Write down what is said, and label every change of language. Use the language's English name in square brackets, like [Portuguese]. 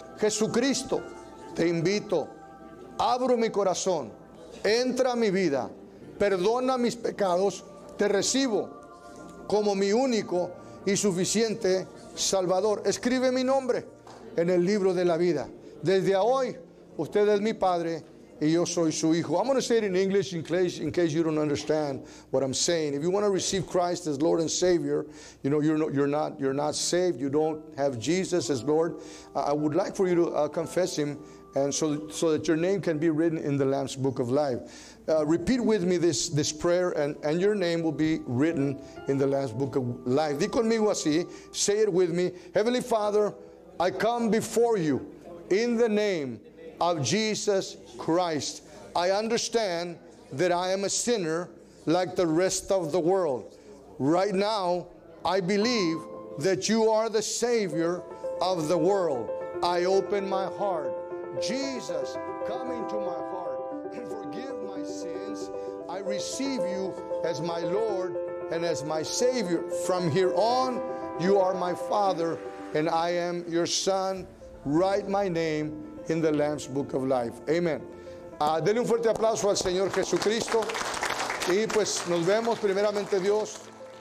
[Spanish] Jesucristo, te invito, abro mi corazón, entra a mi vida, perdona mis pecados, te recibo como mi único y suficiente Salvador. Escribe mi nombre en el libro de la vida. Desde hoy, usted es mi padre y yo soy su hijo. [English] I'm going to say it in English, in case you don't understand what I'm saying. If you want to receive Christ as Lord and Savior, you know, you're not saved, you don't have Jesus as Lord, I would like for you to confess him, and so that your name can be written in the Lamb's Book of Life. Repeat with me this prayer, and your name will be written in the Lamb's Book of Life. [Spanish] Di conmigo así, [English] say it with me. Heavenly Father, I come before you in the name of Jesus Christ. I understand that I am a sinner like the rest of the world. Right now, I believe that you are the Savior of the world. I open my heart. Jesus, come into my heart and forgive my sins. I receive you as my Lord and as my Savior. From here on, you are my Father and I am your Son. Write my name in the Lamb's Book of Life. Amen. [Spanish] Denle un fuerte aplauso al Señor Jesucristo. Y pues nos vemos primeramente Dios.